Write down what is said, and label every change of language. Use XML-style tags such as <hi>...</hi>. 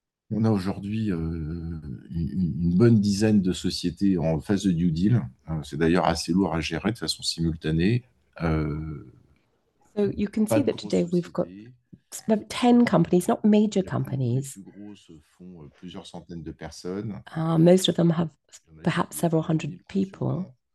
<fr>On a aujourd'hui une bonne dizaine de sociétés en phase de due deal. C'est d'ailleurs assez lourd à gérer de façon simultanée.</fr> <en>So you can see that today we've got 10 companies, not major companies.</en> <fr>Les plus grosses font plusieurs centaines de personnes.</fr> <en>Most of them have perhaps several hundred people.</en>